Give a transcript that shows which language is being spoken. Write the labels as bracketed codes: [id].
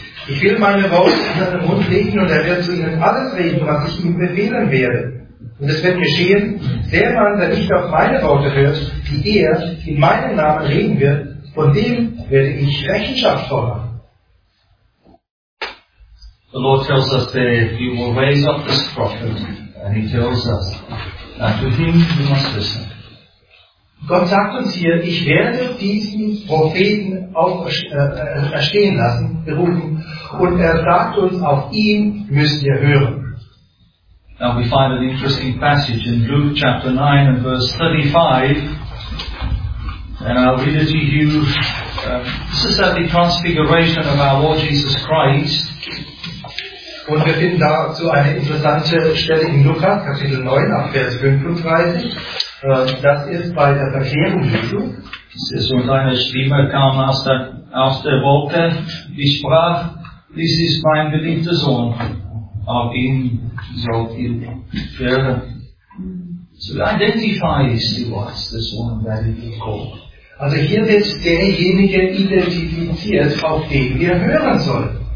[de] Ich will meine Worte in seinen Mund legen und er wird zu ihnen alles reden, was ich ihm befehlen werde. Und es wird geschehen, der Mann, der nicht auf meine Worte hört, die er in meinem Namen reden wird, von dem werde ich Rechenschaft fordern. [en] The Lord tells us there, you will raise up this prophet, and he tells us that to him you must listen. [de] Gott sagt uns hier, ich werde diesen Propheten erstehen lassen, berufen, und er sagt uns, auf ihn müsst ihr hören. [en] Now we find an interesting passage in Luke chapter 9 and verse 35, and I'll read it to you. This is at the transfiguration of our Lord Jesus Christ. [de] Und wir finden dazu eine interessante Stelle in Lukas, Kapitel 9, ab Vers 35. Das ist bei der Verklärung Jesu. Es ist und eine Stimme kam aus der Wolke, die sprach, dies ist mein geliebter Sohn, auf ihn sollt ihr hören. [en] So identifies he was the one that he called. [de] Also hier wird derjenige identifiziert, auf den wir hören sollen.